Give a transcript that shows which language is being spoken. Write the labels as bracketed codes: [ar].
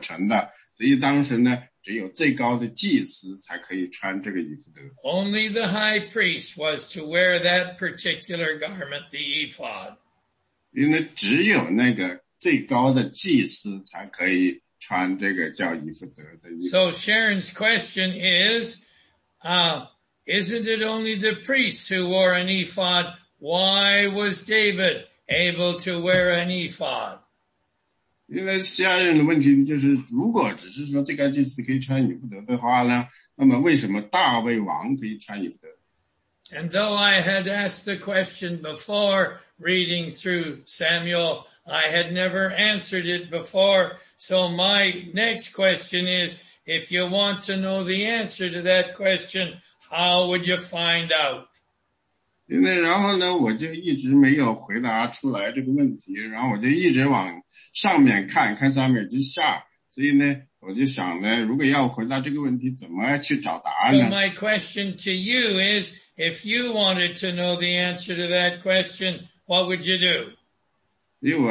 [zh] 这个问题是个好的问题，好的问题呢，实际上这里讲的以弗德，我们在出埃及记里也是讲到了，是一个极其美的一个衣服，这个衣服呢，是由宝石和金银做成的，所以当时呢， 只有最高的祭司才可以穿这个衣服的。 [en] Only the high priest was to wear that particular garment, the ephod. [zh] 因为只有那个最高的祭司才可以穿这个叫以弗德的衣服。 [en] So Sharon's question is, isn't it only the priests who wore an ephod? Why was David able to wear an ephod? [zh] 因为下一任的问题就是，如果只是说这个祭司可以穿以弗德的话呢，那么为什么大卫王可以穿以弗德？ [en] And though I had asked the question before reading through Samuel, I had never answered it before. So my next question is, if you want to know the answer to that question, how would you find out? [zh] 然后呢，我就一直没有回答出来这个问题。然后我就一直往上面看，看上面之下。所以呢，我就想呢，如果要回答这个问题，怎么去找答案呢？ [en] So my question to you is, if you wanted to know the answer to that question, what would you do?